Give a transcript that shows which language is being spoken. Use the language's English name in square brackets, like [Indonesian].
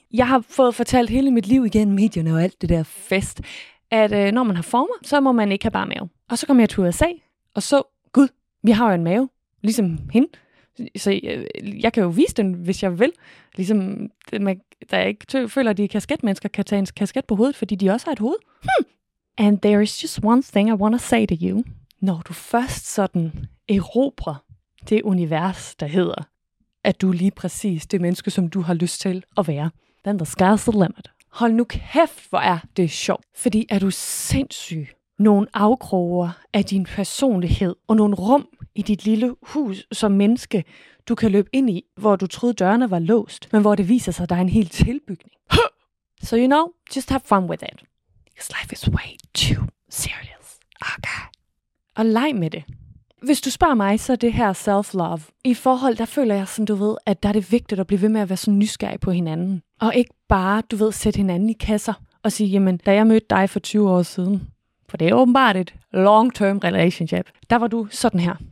[Danish] jeg har fået fortalt hele mit liv igen, medierne og alt det der fest, at når man har former, så må man ikke have bare mave. Og så kom jeg til USA, og så, gud, vi har jo en mave, ligesom hende. Så jeg kan jo vise den, hvis jeg vil. Ligesom, der er ikke føler, at de kasketmennesker kan tage en kasket på hovedet, fordi de også har et hoved. [English] And there is just one thing I want to say to you. [Danish] Når du først sådan erobrer det univers, der hedder, at du lige præcis det menneske, som du har lyst til at være, [English] then the sky's the limit. [Danish] Hold nu kæft, hvor er det sjovt. Fordi er du sindssyg, nogle afkroger af din personlighed og nogle rum i dit lille hus som menneske, du kan løbe ind i, hvor du troede dørene var låst, men hvor det viser sig, at der er en hel tilbygning. [English] So you know, just have fun with it. Because life is way too serious. Okay. [Danish] Og leg med det. Hvis du spørger mig, så er det her self-love. I forhold, der føler jeg, som du ved, at der er det vigtigt at blive ved med at være sådan nysgerrig på hinanden. Og ikke bare, du ved, sætte hinanden i kasser og sige, jamen, da jeg mødte dig for 20 år siden, for det er åbenbart et [English] long-term relationship, [Danish] der var du sådan her.